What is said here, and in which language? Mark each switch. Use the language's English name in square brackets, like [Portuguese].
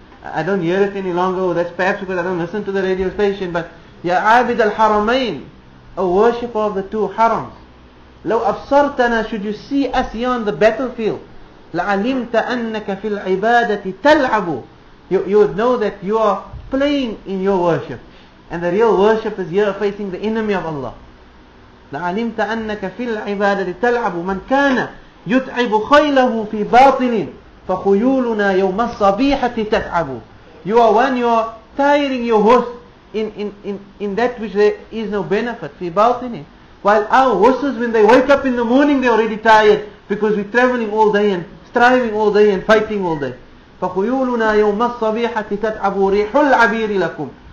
[English] I don't hear it any longer, that's perhaps because I don't listen to the radio station, but Ya Abid al-Haramain, a worshipper of the two harams. [Arabic] لو أبصرتنا, [English] should you see us here on the battlefield, [Arabic] لعلمت أنك في العبادة تلعب. [English] You would know that you are playing in your worship. And the real worship is here facing the enemy of Allah. [Arabic] لعلمت أنك في العبادة تلعب. من كان يتعب خيله في باطل فخيولنا يوم الصبيحة تتعب. [English] You are one, you are tiring your horse in that which there is no benefit. [Arabic] في باطل. [English] While our horses, when they wake up in the morning, they're already tired because we're traveling all day and striving all day and fighting all day. [Arabic] فَخُيُولُنَا يَوْمَ الصَّبِيحَةِ تَتْعَبُ رِيحُ الْعَبِيرِ لَكُمْ.